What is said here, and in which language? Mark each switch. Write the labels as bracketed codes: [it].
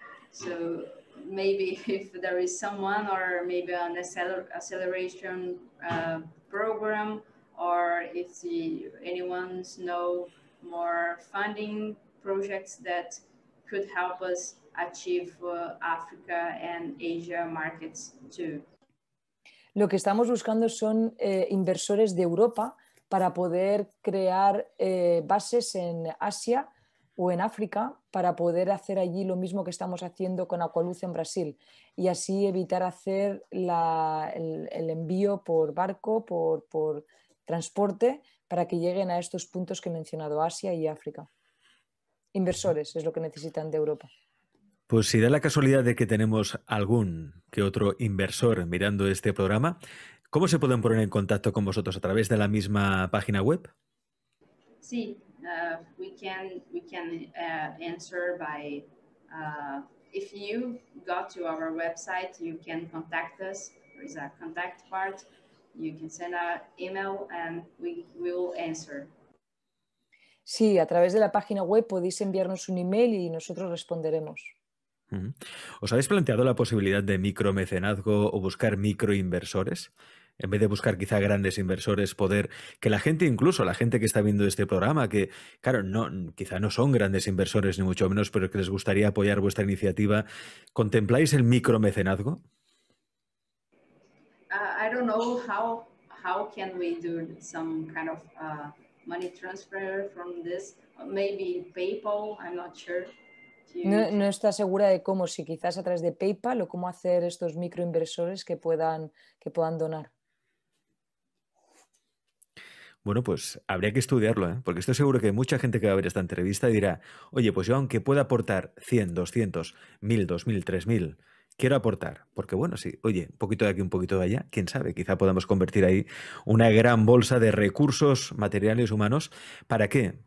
[en] So maybe if there is someone or maybe an acceleration program, or if anyone knows more funding projects that could help us achieve Africa and Asia markets too. [es] Lo que estamos buscando son inversores de Europa para poder crear bases en Asia o en África para poder hacer allí lo mismo que estamos haciendo con Aqualuz en Brasil y así evitar hacer el envío por barco, por transporte, para que lleguen a estos puntos que he mencionado, Asia y África. Inversores es lo que necesitan de Europa. Pues si da la casualidad de que tenemos algún que otro inversor mirando este programa, ¿cómo se pueden poner en contacto con vosotros? ¿A través de la misma página web? [en] Sí, we can answer by if you go to our website, you can contact us. There is a contact part. You can send an email and we will answer. [es] Sí, a través de la página web podéis enviarnos un email y nosotros responderemos. ¿Os habéis planteado la posibilidad de micromecenazgo o buscar microinversores? En vez de buscar quizá grandes inversores, poder que la gente, incluso la gente que está viendo este programa, que claro, no, quizá no son grandes inversores ni mucho menos, pero que les gustaría apoyar vuestra iniciativa, ¿contempláis el micromecenazgo? [en] I don't know how can we do some kind of money transfer from this, maybe PayPal, I'm not sure. [es] No está segura de cómo, si quizás a través de PayPal o cómo hacer estos microinversores que puedan donar. Bueno, pues habría que estudiarlo, ¿eh? Porque estoy seguro que mucha gente que va a ver esta entrevista dirá, oye, pues yo aunque pueda aportar 100, 200, 1000, 2000, 3000, quiero aportar, porque bueno, sí, oye, un poquito de aquí, un poquito de allá, quién sabe, quizá podamos convertir ahí una gran bolsa de recursos materiales humanos. ¿Para qué?